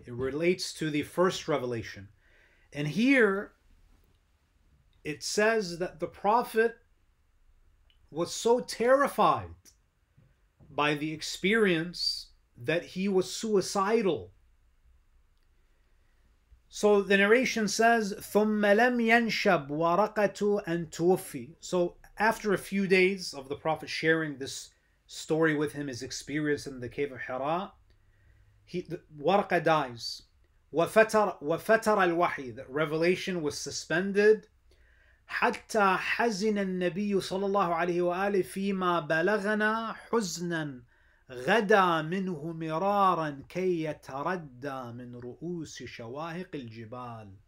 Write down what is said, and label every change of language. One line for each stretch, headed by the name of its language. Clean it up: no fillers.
English: It relates to the first revelation. And here, it says that the Prophet was so terrified by the experience that he was suicidal. So the narration says,
Arabic: ثُمَّ لَمْ يَنْشَبْ وَرَقَةُ أَنْ تُوَفِّي.
English: So after a few days of the Prophet sharing this story with him, his experience in the cave of Hira, Waraqa dies.
Arabic: وَفَتَرَ الْوَحِي.
English: That revelation was suspended.
Arabic: حَتَّى حَزِنَ النَّبِيُّ صَلَى اللَّهُ عَلَيْهِ وَآلِهِ فِيمَا بَلَغَنَا حُزْنًا غَدَى مِنْهُ مِرَارًا كَيْ يَتَرَدَّى مِنْ رُؤُوسِ شَوَاهِقِ الْجِبَالِ.